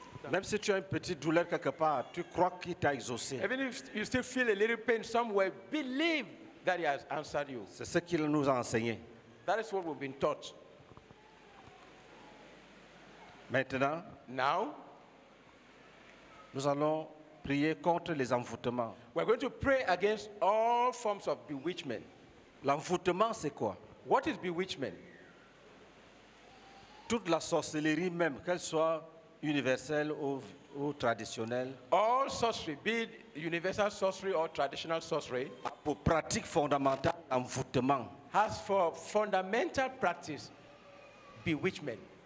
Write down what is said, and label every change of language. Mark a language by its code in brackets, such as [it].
[fr] Même si tu as une petite douleur quelque part, tu crois qu'il t'a exaucé. [en] Even if you still feel a little pain somewhere, believe that he has answered you. [fr] C'est ce qu'il nous a enseigné. [en] That is what we've been taught. [fr] Maintenant, [en] now, [fr] nous allons prier contre les envoûtements. [en] We're going to pray against all forms of bewitchment. [fr] L'envoûtement, c'est quoi? [en] What is bewitchment? [fr] Toute la sorcellerie même, qu'elle soit universel ou traditionnel. [en] All sorcery, be it universal sorcery or traditional sorcery, [fr] pour pratique fondamentale, envoûtement. [en] Has for fundamental practice, bewitchment.